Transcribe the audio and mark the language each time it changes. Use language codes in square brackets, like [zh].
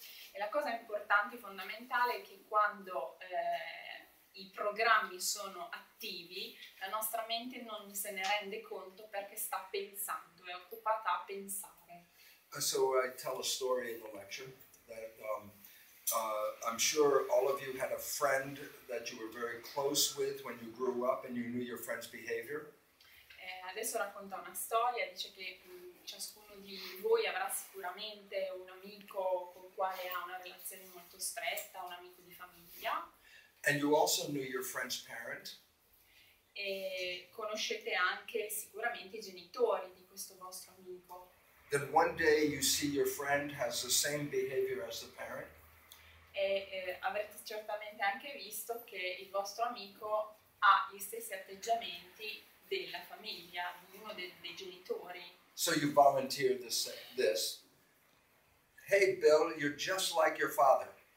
[it] E la cosa importante e fondamentale è che quando i programmi sono attivi, la nostra mente non se ne rende conto perché sta pensando, è occupata a pensare. [en] So I tell a story in the lecture that I'm sure all of you had a friend that you were very close with when you grew up and you knew your friend's behavior. [it] Adesso racconta una storia, dice che ciascuno di voi avrà sicuramente un amico con quale ha una relazione molto stretta, un amico di famiglia. [en] And you also knew your friend's parent. [it] E conoscete anche sicuramente i genitori di questo vostro amico. [en] Then one day you see your friend has the same behavior as the parent. [it] E avrete certamente anche visto che il vostro amico ha gli stessi atteggiamenti della famiglia, di uno dei genitori. [en] So you volunteer this. Hey Bill, you're just like your father.